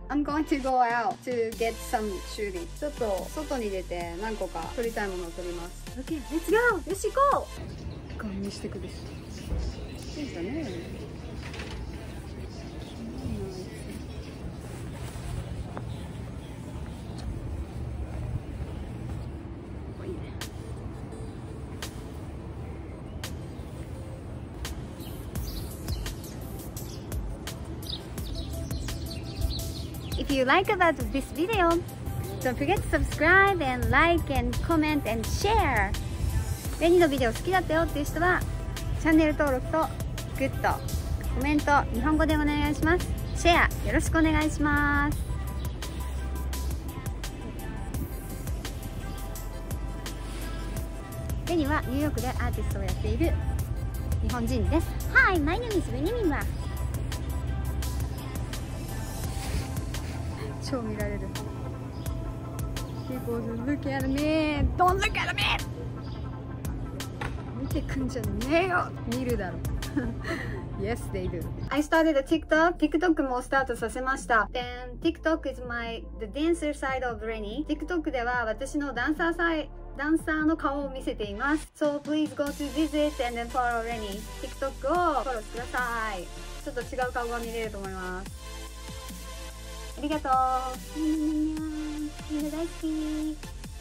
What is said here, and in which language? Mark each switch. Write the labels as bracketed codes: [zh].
[en] I'm going to go out to get some shooting. [ja] ちょっと外に出て何個か撮りたいものを撮ります。 [en] Okay, let's go! [ja] よし、行こう！顔見してくれ。いいんだね。 [en] If you like about this video, don't forget to subscribe and like and comment and share. [ja] Reni のビデオ好きだったよっていう人はチャンネル登録とグッド、コメント日本語でお願いします。シェアよろしくお願いします。 Reniはニューヨークでアーティストをやっている日本人です。 [en] Hi, my name is Renimimura. [ja] 超見られる。 [en] People look at me! Don't look at me! [ja] 見てくんじゃねえよ。見るだろ。 [en] Yes, they do. I started a TikTok. TikTok [ja] もスタートさせました。 [en] Then, TikTok is my, the dancer side of Reni. [ja] TikTok では私のダンサーサイ、ダンサーの顔を見せています。 [en] So, please go to visit and then follow Reni. [ja] TikTok をフォローしてください。ちょっと違う顔が見れると思います。ありがとう。みんな大好き。